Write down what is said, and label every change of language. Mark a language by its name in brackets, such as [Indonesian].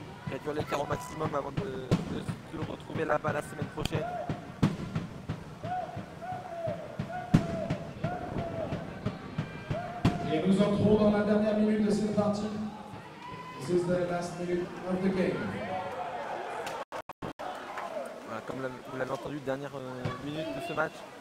[French] Réduire l'écart au maximum avant de le retrouver là-bas la semaine prochaine. Et nous entrons dans la dernière minute de cette partie. [English] This is the last minute of the game. [French] Comme vous l'avez entendu, dernière minute de ce match.